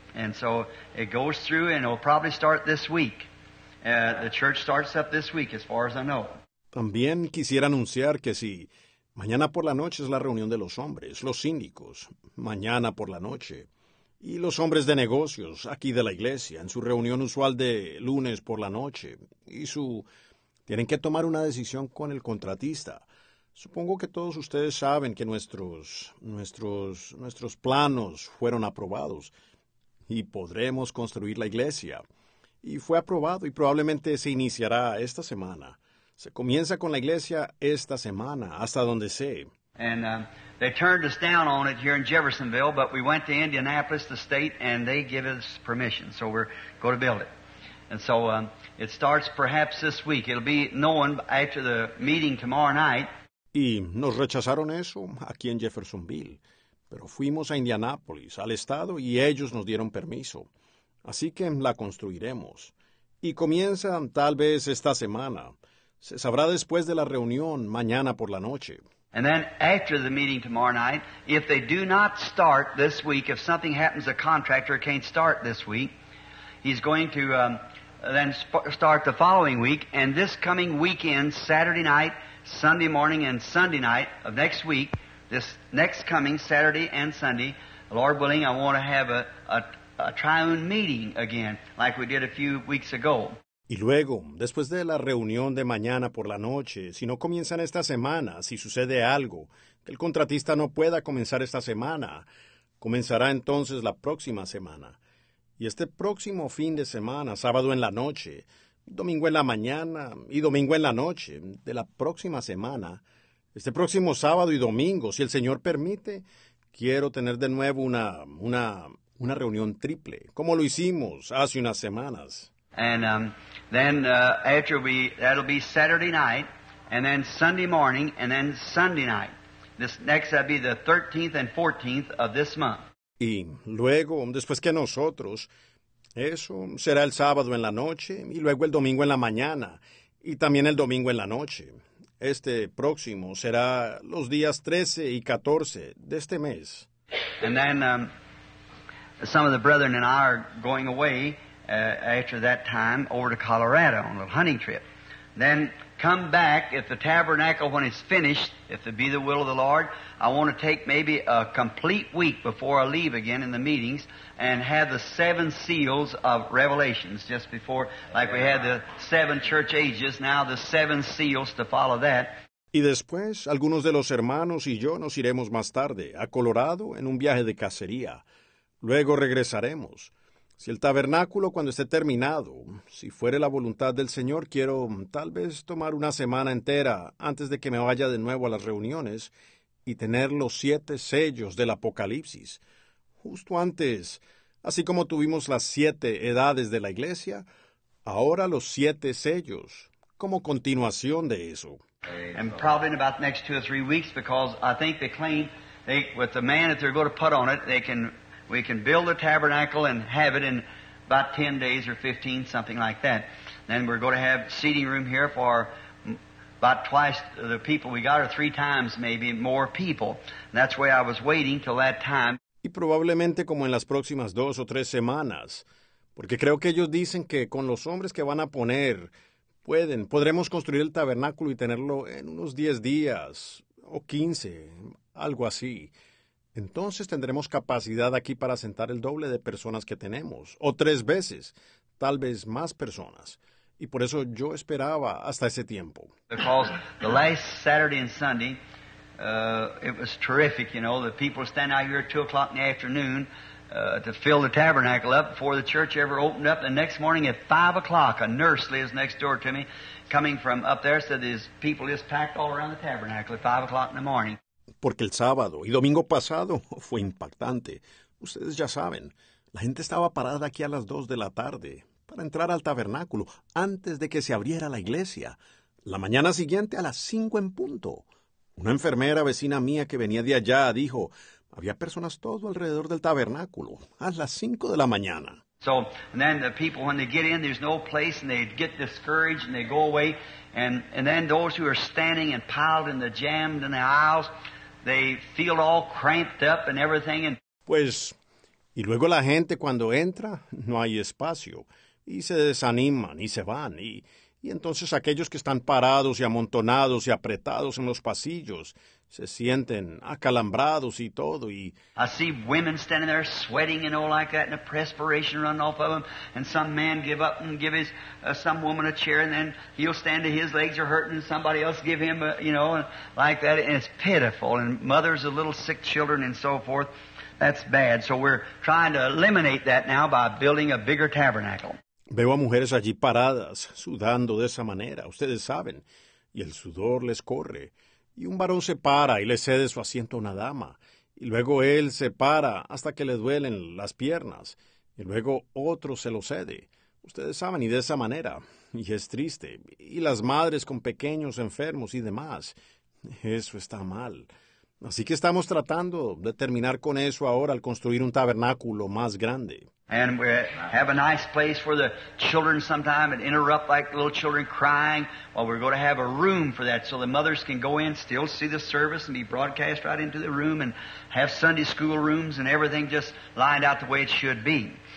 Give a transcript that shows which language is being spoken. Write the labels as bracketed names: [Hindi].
[English] And so it goes through, and it'll probably start this week. The church starts up this week, as far as I know. [Spanish] También quisiera anunciar que si mañana por la noche es la reunión de los hombres, los síndicos, mañana por la noche, y los hombres de negocios aquí de la iglesia, en su reunión usual de lunes por la noche, tienen que tomar una decisión con el contratista. Supongo que todos ustedes saben que nuestros planos fueron aprobados y podremos construir la iglesia. Y fue aprobado y probablemente se iniciará esta semana. Se comienza con la iglesia esta semana, hasta donde sé. [English] And they turned us down on it here in Jeffersonville, but we went to Indianapolis, the state, and they give us permission. So we're going to build it. And so it starts perhaps this week. It'll be known after the meeting tomorrow night. [Spanish] Y nos rechazaron eso aquí en Jeffersonville. Pero fuimos a Indianapolis, al estado, y ellos nos dieron permiso. Así que la construiremos. Y comienza tal vez esta semana. Se sabrá después de la reunión mañana por la noche. [English] And then after the meeting tomorrow night, if they do not start this week, if something happens, a contractor can't start this week, he's going to then start the following week. And this coming weekend, Saturday night, Sunday morning, and Sunday night of next week, this next coming Saturday and Sunday, Lord willing, I want to have a triune meeting again, like we did a few weeks ago. [Spanish] Y luego, después de la reunión de mañana por la noche, si no comienzan esta semana, si sucede algo, que el contratista no pueda comenzar esta semana, comenzará entonces la próxima semana. Y este próximo fin de semana, sábado en la noche, domingo en la mañana y domingo en la noche de la próxima semana, este próximo sábado y domingo, si el Señor permite, quiero tener de nuevo una reunión triple, como lo hicimos hace unas semanas. [English] And that'll be Saturday night, and then Sunday morning, and then Sunday night. This next, that'll be the 13th and 14th of this month. [Spanish] Y luego, después que nosotros, eso será el sábado en la noche, y luego el domingo en la mañana, y también el domingo en la noche. Este próximo será los días 13 y 14 de este mes. [English] And then some of the brethren and I are going away after that time over to Colorado on a little hunting trip. Then come back if the tabernacle when it's finished, if it be the will of the Lord. I want to take maybe a complete week before I leave again in the meetings and have the seven seals of Revelations just before, like we had the seven church ages, now the seven seals to follow that. [Spanish] Y después, algunos de los hermanos y yo nos iremos más tarde a Colorado en un viaje de cacería. Luego regresaremos. Si el tabernáculo cuando esté terminado, si fuere la voluntad del Señor, quiero tal vez tomar una semana entera antes de que me vaya de nuevo a las reuniones y tener los siete sellos del Apocalipsis. Justo antes, así como tuvimos las siete edades de la iglesia, ahora los siete sellos, como continuación de eso. [English] And probably in about the next two or three weeks, because I think they claim they, with the man that they're going to put on it, they can, we can build a tabernacle and have it in about 10 days or 15, something like that. Then we're going to have seating room here for about twice the people we got, or three times maybe more people. And that's why I was waiting till that time. [Spanish] Y probablemente como en las próximas dos o tres semanas, porque creo que ellos dicen que con los hombres que van a poner, pueden, podremos construir el tabernáculo y tenerlo en unos 10 días o 15, algo así. Entonces tendremos capacidad aquí para sentar el doble de personas que tenemos, o tres veces, tal vez más personas. Y por eso yo esperaba hasta ese tiempo. [English] Because the last Saturday and Sunday, it was terrific, you know, the people stand out here at 2 o'clock in the afternoon to fill the tabernacle up before the church ever opened up. The next morning at 5 o'clock, a nurse lives next door to me, coming from up there, said there's people just packed all around the tabernacle at 5 o'clock in the morning. [Spanish] Porque el sábado y domingo pasado fue impactante. Ustedes ya saben, la gente estaba parada aquí a las 2 de la tarde para entrar al tabernáculo antes de que se abriera la iglesia. La mañana siguiente a las 5 en punto. Una enfermera vecina mía que venía de allá dijo, había personas todo alrededor del tabernáculo a las 5 de la mañana. [English] So, and then the people, when they get in, there's no place, and they get discouraged, and they go away. And then those who are standing and piled in the jammed in the aisles, they feel all cramped up and everything. [Spanish] Pues, y luego la gente cuando entra, no hay espacio. Y se desaniman, y se van. Y entonces aquellos que están parados y amontonados y apretados en los pasillos, se sienten acalambrados y todo, y [English] I see women standing there sweating and all like that, and the perspiration running off of them, and some man give up and give his some woman a chair, and then he'll stand to his legs are hurting, and somebody else give him a, you know, like that, and it's pitiful, and mothers of little sick children and so forth, that's bad. So we're trying to eliminate that now by building a bigger tabernacle. [Spanish] Veo a mujeres allí paradas, sudando de esa manera, ustedes saben, y el sudor les corre. Y un varón se para y le cede su asiento a una dama. Y luego él se para hasta que le duelen las piernas. Y luego otro se lo cede. Ustedes saben, y de esa manera. Y es triste. Y las madres con pequeños enfermos y demás. Eso está mal. Así que estamos tratando de terminar con eso ahora al construir un tabernáculo más grande. [English] And we have a nice place for the children sometime and interrupt like little children crying. Well, we're going to have a room for that so the mothers can go in, still see the service and be broadcast right into the room and have Sunday school rooms and everything just lined out the way it should be.